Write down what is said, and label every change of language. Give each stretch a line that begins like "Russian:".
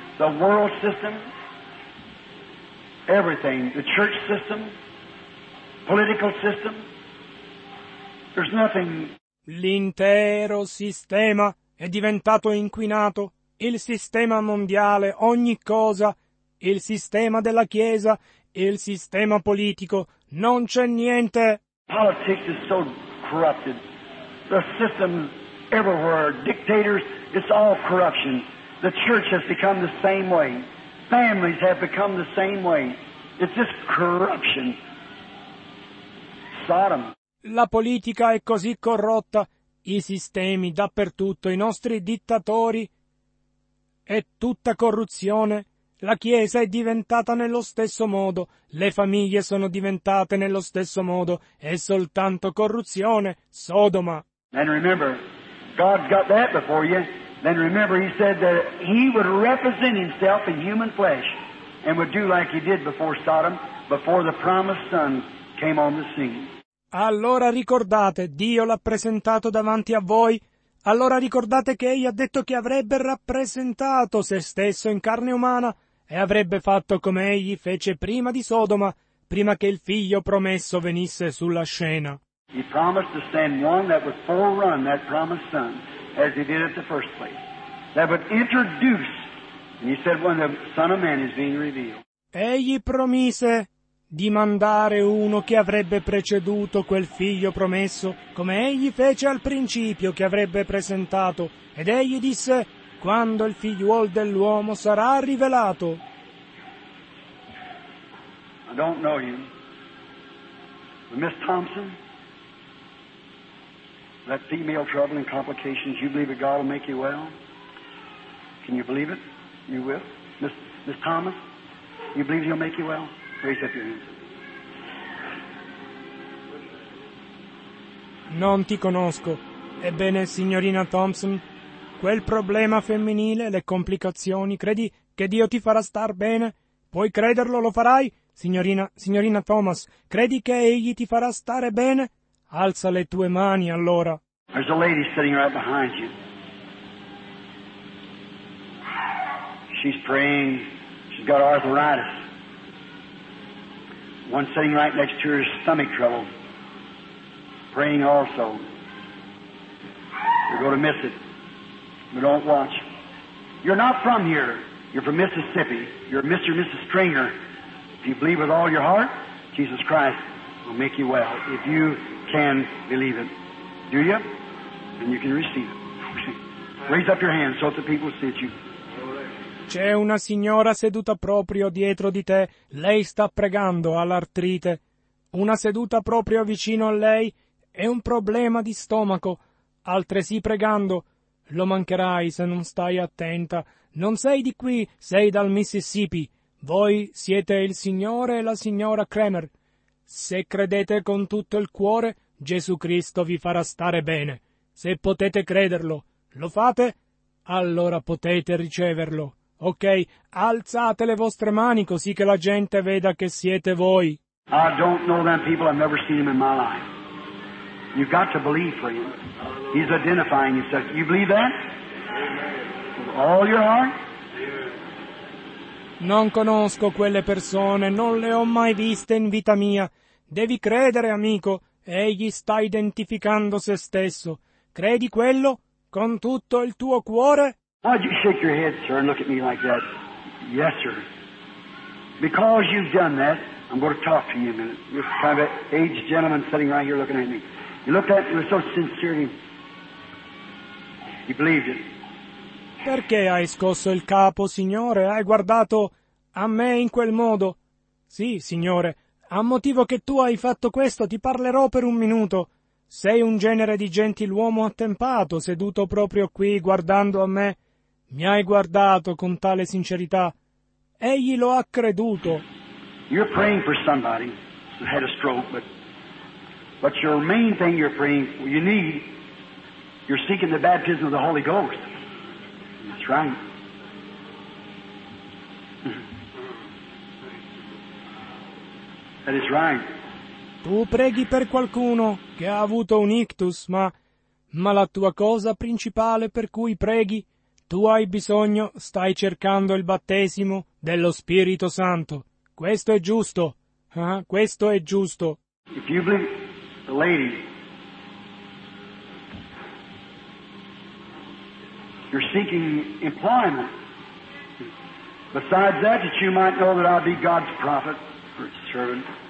English: The world system, everything, the church system, political system, there's nothing.
Italian: L'intero sistema è diventato inquinato. Il sistema mondiale, ogni cosa, il sistema della Chiesa, il sistema politico, non c'è niente.
English: Politics is so corrupted. The system everywhere, dictators, it's all corruption. The church has become the same way. Families have become the same way. It's just corruption. Sodom.
Italian: La politica è così corrotta, i sistemi dappertutto, i nostri dittatori, è tutta corruzione. La Chiesa è diventata nello stesso modo, le famiglie sono diventate nello stesso modo, è soltanto corruzione, Sodoma.
English: And remember, God's got that before you. Then remember, he said that he would represent himself in human flesh and would do like he did before Sodom, before the promised son came on the scene.
Italian: Allora ricordate, Dio l'ha presentato davanti a voi. Allora ricordate che egli ha detto che avrebbe rappresentato se stesso in carne umana e avrebbe fatto come egli fece prima di Sodoma, prima che il figlio promesso venisse sulla scena.
English: He promised to send one that would forerun that promised son, as he did at the first place. That would introduce, and he said, when the Son of Man is being revealed.
Italian: Egli promise di mandare uno che avrebbe preceduto quel figlio promesso, come egli fece al principio che avrebbe presentato. Ed egli disse, quando il figliuol dell'uomo sarà rivelato.
English: I don't know you. Miss Thompson? That female trouble and complications, you believe that God will make you well? Can you believe it? You will? Miss Thomas? You believe he'll make you well? Raise up your hands.
Italian: Non ti conosco. Ebbene, signorina Thompson, quel problema femminile, le complicazioni, credi che Dio ti farà star bene? Puoi crederlo, lo farai? Signorina Thomas, credi che egli ti farà stare bene? Alza le tue mani, allora.
English: There's a lady sitting right behind you. She's praying. She's got arthritis. One sitting right next to her is stomach trouble. Praying also. You're going to miss it. But don't watch. You're not from here. You're from Mississippi. You're Mr. and Mrs. Stringer. If you believe with all your heart, Jesus Christ will make you well. If you can believe it, do you? Then you can receive it. Raise up your hands so that the people see you.
Italian: C'è una signora seduta proprio dietro di te. Lei sta pregando all'artrite. Una seduta proprio vicino a lei è un problema di stomaco. Altresì pregando. Lo mancherai se non stai attenta. Non sei di qui, sei dal Mississippi. Voi siete il signore e la signora Kramer. Se credete con tutto il cuore, Gesù Cristo vi farà stare bene. Se potete crederlo, lo fate, allora potete riceverlo. Ok, alzate le vostre mani così che la gente veda che siete voi.
English: I don't know them people, I've never seen them in my life. You've got to believe for him. He's identifying himself. You believe that? With all your heart?
Italian: Non conosco quelle persone, non le ho mai viste in vita mia. Devi credere, amico, egli sta identificando se stesso. Credi quello con tutto il tuo cuore?
English: Why'd you shake your head, sir, and look at me like that? Yes, sir. Because you've done that, I'm going to talk to you in a minute. This kind of aged gentleman sitting right here looking at me. He looked at me with so sincerity. He believed it.
Italian: Perché hai scosso il capo, signore? Hai guardato a me in quel modo? Sì, signore. A motivo che tu hai fatto questo, ti parlerò per un minuto. Sei un genere di gentiluomo attempato, seduto proprio qui, guardando a me. Mi hai guardato con tale sincerità. Egli lo ha creduto.
English: You're praying for somebody who had a stroke, but your main thing you're praying for, you need, you're seeking the baptism of the Holy Ghost. That's right. That is right.
Italian: Tu preghi per qualcuno che ha avuto un ictus, ma la tua cosa principale per cui preghi, tu hai bisogno, stai cercando il battesimo dello Spirito Santo. Questo è giusto. Questo è giusto.
English: If you believe the lady, you're seeking employment. Besides that, that you might know that I'd be God's prophet or servant.